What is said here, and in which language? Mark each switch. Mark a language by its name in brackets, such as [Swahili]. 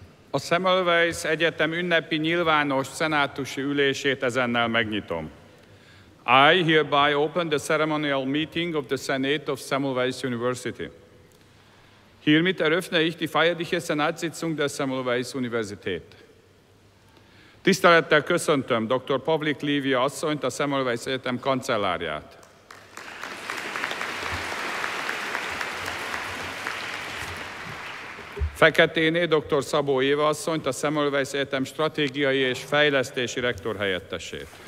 [Hungarian] A Semmelweis Egyetem ünnepi nyilvános szenátusi ülését ezennel megnyitom. [English] I hereby open the ceremonial meeting of the Senate of Semmelweis University. [German] Hiermit eröffne ich die feierliche Senatssitzung der Semmelweis Universität. [Hungarian] Tisztelettel köszöntöm Dr. Pavlik Lívia asszonyt, a Semmelweis Egyetem kancellárját. Feketéné Dr. Szabó Éva asszonyt, a Semmelweis Egyetem stratégiai és fejlesztési rektor helyettesét.